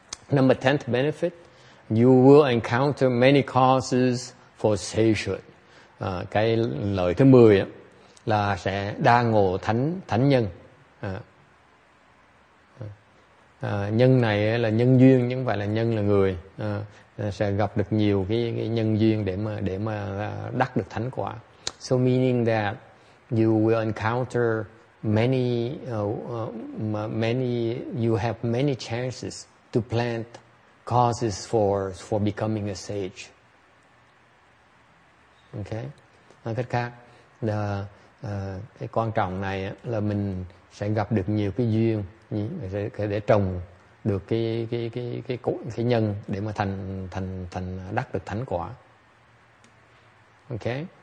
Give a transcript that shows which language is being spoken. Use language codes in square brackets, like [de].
[en] Number 10th benefit, you will encounter many causes for satiation. [vi] Cái lợi thứ 10 á là sẽ đa ngộ thánh nhân. Nhân này là nhân duyên, nhưng phải là nhân là người, sẽ gặp được nhiều cái nhân duyên để mà đắc được thánh quả. [en] So meaning that you will encounter many you have many chances to plant causes for becoming a sage. Okay. [vi] Nói cách khác là cái quan trọng này là mình sẽ gặp được nhiều cái duyên để trồng được cái nhân để mà thành đắc được thánh quả. Ok.